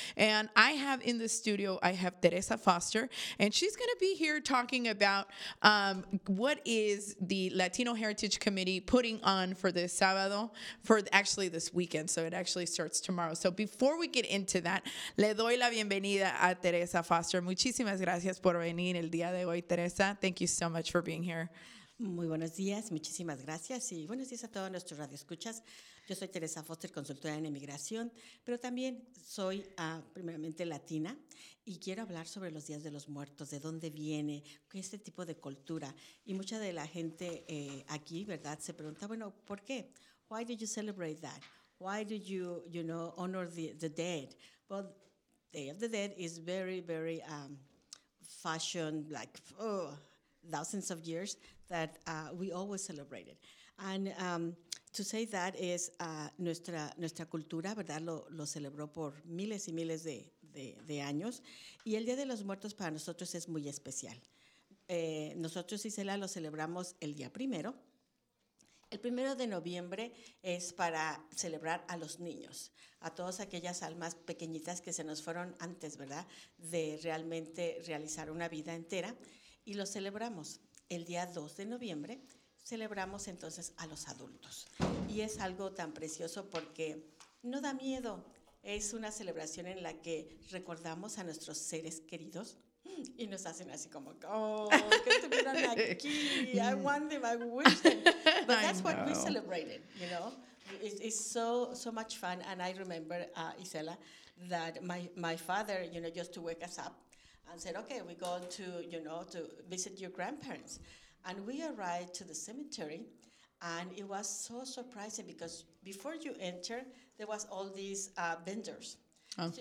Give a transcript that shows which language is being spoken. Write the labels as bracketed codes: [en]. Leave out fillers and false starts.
[en] And I have in the studio, I have Teresa Foster, and she's going to be here talking about what is the Latino Heritage Committee putting on for this [es] sábado, [en] for actually this weekend, so it actually starts tomorrow. So before we get into that, [es] le doy la bienvenida a [en] Teresa Foster. [es] Muchísimas gracias por venir el día de hoy, Teresa. [en] Thank you so much for being here. [es] Muy buenos días, muchísimas gracias y buenos días a todos nuestros radioescuchas. Yo soy Teresa Foster, consultora en emigración, pero también soy primeramente latina y quiero hablar sobre los días de los muertos, de dónde viene, qué es este tipo de cultura. Y mucha de la gente aquí, ¿verdad?, se pregunta, bueno, ¿por qué? [en] Why do you celebrate that? Why do you, you know, honor the dead? Well, Day of the Dead is very, very fashion, like, oh, thousands of years that we always celebrated. And to say that is [es] nuestra cultura, ¿verdad? Lo celebró por miles y miles de años. Y el Día de los Muertos para nosotros es muy especial. Nosotros, Isela, lo celebramos el día primero. El primero de noviembre es para celebrar a los niños, a todas aquellas almas pequeñitas que se nos fueron antes, ¿verdad?, de realmente realizar una vida entera. Y lo celebramos el día 2 de noviembre, celebramos entonces a los adultos. Y es algo tan precioso porque no da miedo. Es una celebración en la que recordamos a nuestros seres queridos y nos hacen así como, oh, que estuvieran aquí, [en] I want them, I wish them. But that's what we celebrated, you know. It's so much fun, and I remember, Isela, that my father, you know, just to wake us up, and said, okay, we go to, you know, to visit your grandparents. And we arrived to the cemetery, and it was so surprising because before you enter, there was all these vendors. Oh.